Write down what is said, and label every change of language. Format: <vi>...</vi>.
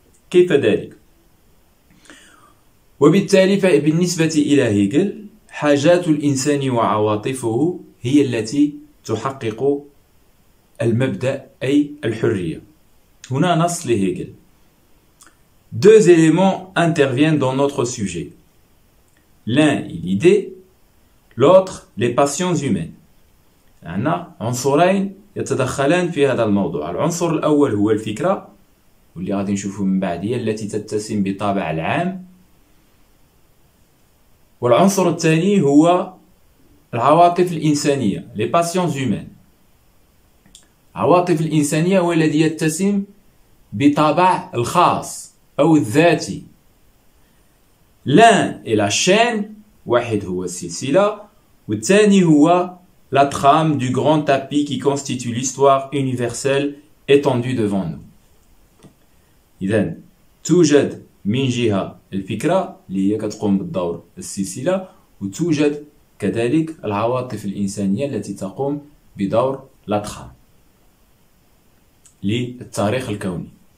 <ar>كيف ذلك؟ وبالتالي فبالنسبة إلى هيجل حاجات الإنسان وعواطفه هي التي تحقق المبدأ أي الحرية. هنا نص لهيجل:</ar> <fr>deux éléments interviennent dans notre sujet. L'un est l'idée, l'autre les passions humaines.</fr> <ar>هنا عنصرين يتدخلان في هذا الموضوع. العنصر الأول هو الفكرة، واللي غادي نشوفه من بعد، هي التي تتسم بطابع العام، والعنصر الثاني هو العواطف الإنسانية،</ar> <fr>les passions humaines.</fr> <ar>العواطف الإنسانية هو الذي يتسم بطابع الخاص أو الذاتي.</ar> <fr>L'un est la chaîne,</fr> <ar>واحد هو السلسلة، والثاني هو</ar> <fr>la trame du grand tapis qui constitue l'histoire universelle étendue devant nous.</fr> <ar>إذن توجد من جهة الفكرة اللي هي كتقوم بالدور السلسلة، وتوجد كذلك العواطف الإنسانية التي تقوم بدور la trame للتاريخ الكوني.</ar>